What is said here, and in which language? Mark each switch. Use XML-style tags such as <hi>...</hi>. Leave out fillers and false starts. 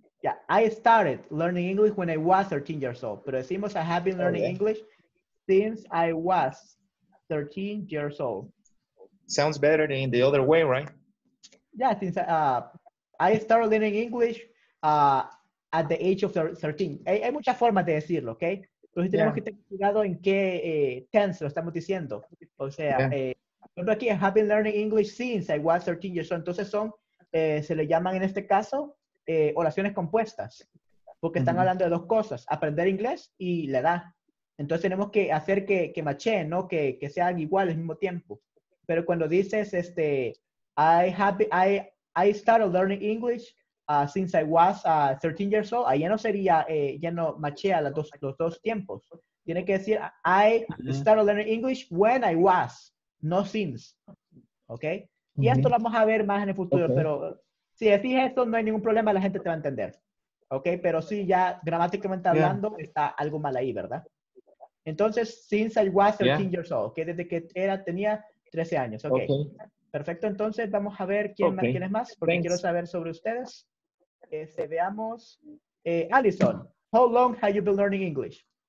<en>Yeah, I started learning English when I was 13 years old.</en> <es>Pero decimos,</es> <en>I have been learning English since I was 13 years old. Sounds better than the other way, right? Yeah, since I started learning English at the age of 13.</en> <es>Hay muchas formas de decirlo, ¿ok? Pero si tenemos que tener cuidado en qué tense lo estamos diciendo. O sea, por ejemplo aquí,</es> <en>I have been learning English since I was 13 years old.</en> <es>Entonces son, se le llaman en este caso, oraciones compuestas. Porque están hablando de dos cosas, aprender inglés y la edad. Entonces tenemos que hacer que machen, ¿no? Que sean iguales al mismo tiempo. Pero cuando dices,</es> <en>I started learning English since I was 13 years old,</en> <es>ahí ya no sería, ya no machea los dos tiempos. Tiene que decir,</es> <en>I started learning English when I was, no since. ¿Ok?</en> <es>Y esto lo vamos a ver más en el futuro, pero si decís esto, no hay ningún problema, la gente te va a entender. ¿Ok? Pero sí, ya gramáticamente hablando, está algo mal ahí, ¿verdad? Entonces,</es> <en>since I was 13 years old,</en> <es>que desde que tenía 13 años. Okay. Perfecto, entonces vamos a ver quién es más, porque quiero saber sobre ustedes. Veamos.</es> <en>Allison, how long have you been learning English?</en>